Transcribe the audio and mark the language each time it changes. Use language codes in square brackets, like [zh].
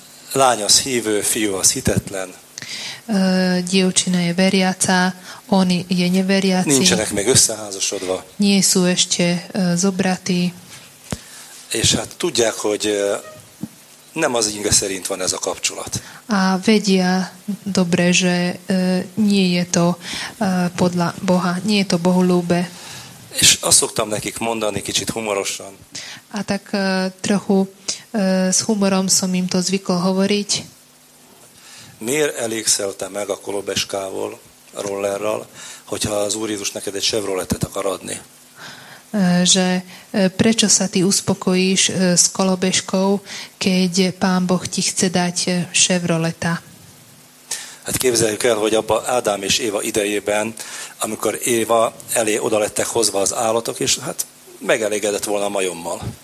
[hu] Lány az hívő, fiú az hitetlen. [sk] Dievčina je veriaca, on je neveriaci. [hu] Nincsenek még összeházasodva. [sk] Nie sú ešte zobratí. [hu] És hát tudják, hogy nem az inge szerint van ez a kapcsolat. [sk] A vedia dobre, že nie je to podľa Boha, nie je to bohulúbe. [hu] És azt szoktam nekik mondani kicsit humorosan. [sk] A tak trochu s humorom som im to zvykol hovoriť. [hu] Miért elégszel te meg a kolobeskával, a rollerral, hogyha az Úr Jézus neked egy Chevroletet akar adni? [sk] Že prečo sa ty uspokojíš s kolobeskou, keď Pán Boh ti chce dať Chevroleta? [hu] Hát képzeljük el, hogy abban Ádám és Éva idejében, amikor Éva elé oda lettek hozva az állatok, és hát megelégedett volna a majommal.